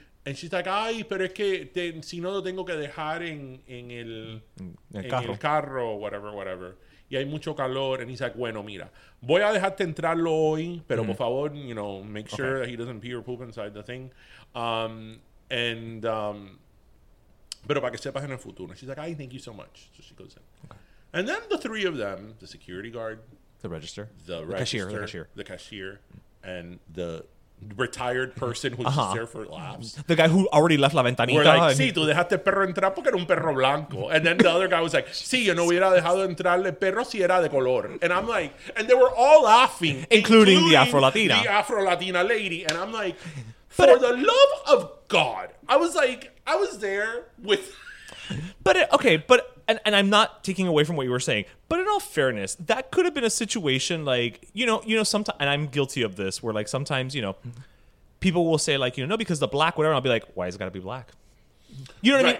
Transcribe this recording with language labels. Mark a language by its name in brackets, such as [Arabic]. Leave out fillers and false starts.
[Spanish] And she's like, ay, pero es que si no lo tengo que dejar en el carro, whatever. Y hay mucho calor. [English] And he's like, bueno, mira, voy a dejarte entrarlo hoy, pero por favor, you know, make sure that he doesn't pee or poop inside the thing. [Spanish] Pero para que sepas en el futuro. [English] And she's like, ay, thank you so much. So she goes in. Okay. And then the three of them, the security guard. The cashier. And the retired person who's just there for laughs. The guy who already left La Ventanita. [Spanish] We're like, sí, tú dejaste perro entrar porque era un perro blanco. And then the other guy was like, sí, yo no hubiera dejado entrarle perro si era de color. [English] And I'm like, and they were all laughing. Including the Afro-Latina. The Afro-Latina lady. And I'm like, for the love of God. I was like, I was there with... But I'm not taking away from what you were saying, but in all fairness, that could have been a situation like, you know, sometimes, and I'm guilty of this, where like sometimes, you know, people will say like, you know, no, because the black, whatever, and I'll be like, why has it got to be black? You know what I mean?